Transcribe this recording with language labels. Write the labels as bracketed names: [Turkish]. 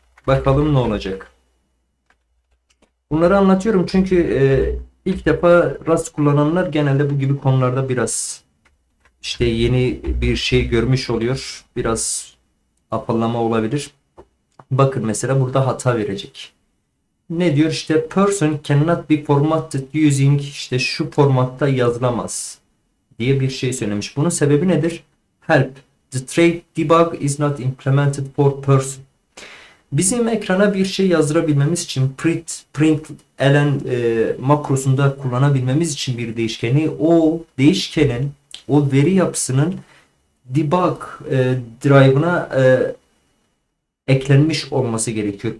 [Turkish] Bakalım ne olacak. Bunları anlatıyorum çünkü ilk defa Rust kullananlar genelde bu gibi konularda biraz işte yeni bir şey görmüş oluyor. Biraz afallama olabilir. Bakın mesela burada hata verecek. Ne diyor? İşte [English] person cannot be formatted using [Turkish] işte şu formatta yazılamaz diye bir şey söylemiş. Bunun sebebi nedir? Help. [English] The trait debug is not implemented for person. [Turkish] Bizim ekrana bir şey yazdırabilmemiz için print ln makrosunda kullanabilmemiz için bir değişkeni o değişkenin o veri yapısının debug drive'ına eklenmiş olması gerekiyor.